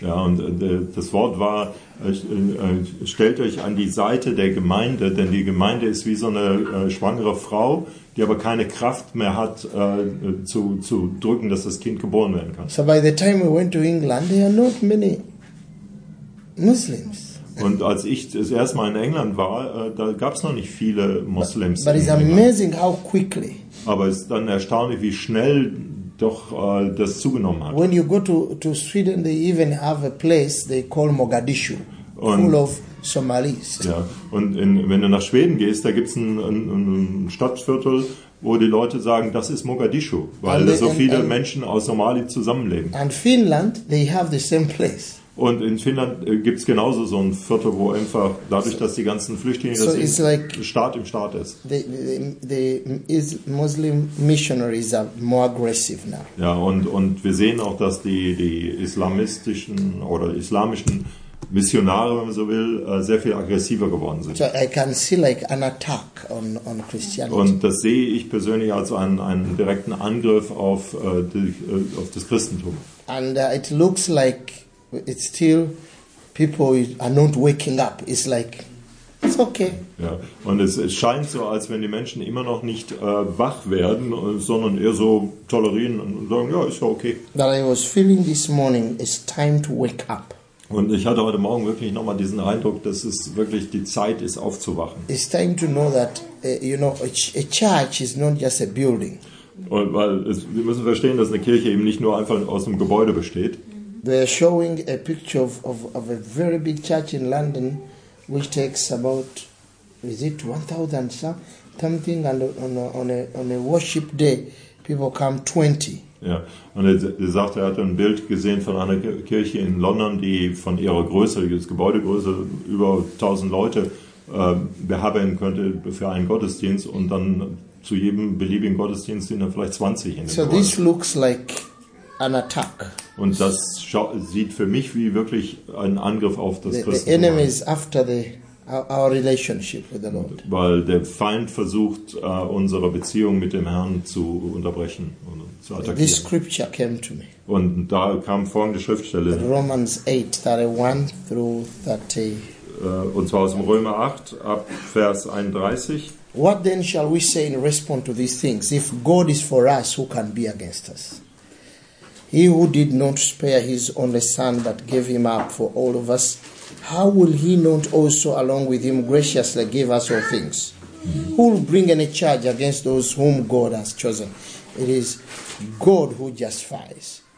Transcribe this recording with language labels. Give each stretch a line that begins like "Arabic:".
German: Ja, und das Wort war, stellt euch an die Seite der Gemeinde, denn die Gemeinde ist wie so eine schwangere Frau, die aber keine Kraft mehr hat, zu drücken, dass das Kind geboren werden kann.
English: So by the time we went to England, there are not many Muslims.
German: Und als ich das erste Mal in England war, da gab es noch nicht viele Muslims.
English: But it's amazing how quickly
German: Aber es ist dann erstaunlich, wie schnell doch das zugenommen hat.
English: When you go to Sweden, they even have a place they call Mogadishu, full of Somalis.
German: Ja, und wenn du nach Schweden gehst, da gibt es ein Stadtviertel, wo die Leute sagen, das ist Mogadischu, weil so viele Menschen aus Somali zusammenleben.
English: And Finland, they have the same place.
German: Und in Finnland gibt es genauso so ein Viertel, wo einfach dadurch, dass die ganzen Flüchtlinge, so das like Staat im Staat ist.
English: The Muslim missionaries are more aggressive now.
German: Ja, und wir sehen auch, dass die islamistischen oder islamischen Missionare, wenn man so will, sehr viel aggressiver geworden sind.
English: So I can see like an attack on Christianity.
German: Und das sehe ich persönlich als einen direkten Angriff auf das Christentum.
English: And it looks like it's still people are not waking up. It's like it's okay.
German: Ja, und es scheint so, als wenn die Menschen immer noch nicht wach werden, sondern eher so tolerieren und sagen, ja, ist ja okay.
English: That I was feeling this morning is time to wake up.
German: Und ich hatte heute Morgen wirklich nochmal diesen Eindruck, dass es wirklich die Zeit ist, aufzuwachen.
English: It's time to know that, you know, a church is not just a building.
German: Und weil wir müssen verstehen, dass eine Kirche eben nicht nur einfach aus einem Gebäude besteht.
English: They are showing a picture of a very big church in London, which takes about, is it 1,000 something, and on a worship day, people come 20.
German: Ja, und er sagte, er hat ein Bild gesehen von einer Kirche in London, die von ihrer Größe, das Gebäudegröße, über 1000 Leute beherbergen könnte für einen Gottesdienst und dann zu jedem beliebigen Gottesdienst sind dann vielleicht 20 in dem
English: So this looks like an attack.
German: Und das sieht für mich wie wirklich ein Angriff auf das Christentum.
English: The enemy is after our relationship with the Lord.
German: Weil der Feind versucht, unsere Beziehung mit dem Herrn zu unterbrechen.
English: This scripture came to me.
German: Und da kam folgende Schriftstelle.
English: Romans 8, 31 through 30.
German: Und zwar aus dem Römer 8, ab Vers 31.
English: What then shall we say in response to these things? If God is for us, who can be against us? He who did not spare his only son, but gave him up for all of us, how will he not also along with him graciously give us all things? Who will bring any charge against those whom God has chosen? It is God who justifies.